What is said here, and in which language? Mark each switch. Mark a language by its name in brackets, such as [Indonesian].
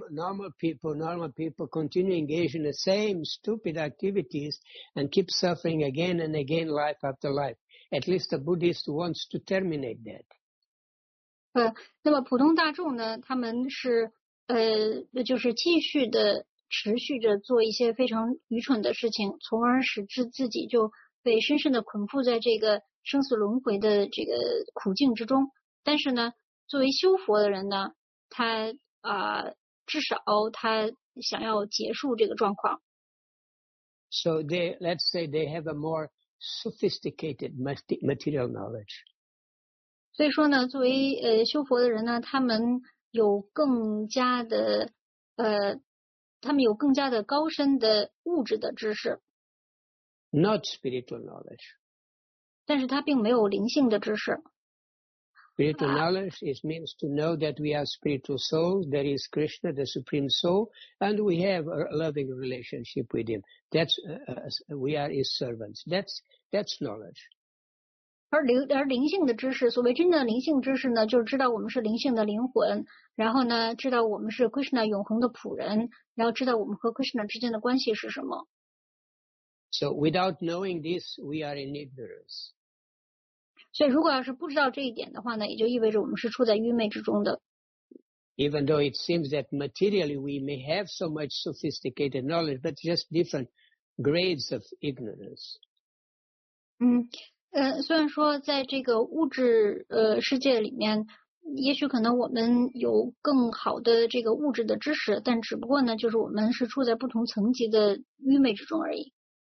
[English] The normal people continue engaged in the same stupid activities and keep suffering again and again, life after life. At least the Buddhist wants to terminate that. [Chinese] 那么普通大众呢，他们是就是继续的持续着做一些非常愚蠢的事情，从而使之自己就被深深的捆缚在这个生死轮回的这个苦境之中。但是呢，作为修佛的人呢，他至少他想要结束这个状况。 [English] So they, let's say they have a more sophisticated material knowledge. [Chinese] 所以说呢，作为修佛的人呢，他们有更加的他们有更加的高深的物质的知识。 [English] Not spiritual knowledge. [Chinese] 但是他并没有灵性的知识。 [English] Spiritual knowledge is means to know that we are spiritual souls, there is Krishna, the Supreme Soul, and we have a loving relationship with Him. That's, we are His servants. That's knowledge. [Chinese] 而灵性的知识，所谓真的灵性知识呢，就是知道我们是灵性的灵魂，然后呢，知道我们是 Krishna 永恒的仆人，然后知道我们和 Krishna 之间的关系是什么。 [English] So without knowing this, we are in ignorance. [Chinese] 所以如果要是不知道这一点的话呢，也就意味着我们是处在愚昧之中的。 [English] Even though it seems that materially we may have so much sophisticated knowledge, but just different grades of ignorance. [Chinese] 虽然说在这个物质世界里面，也许可能我们有更好的这个物质的知识，但只不过呢，就是我们是处在不同层级的愚昧之中而已。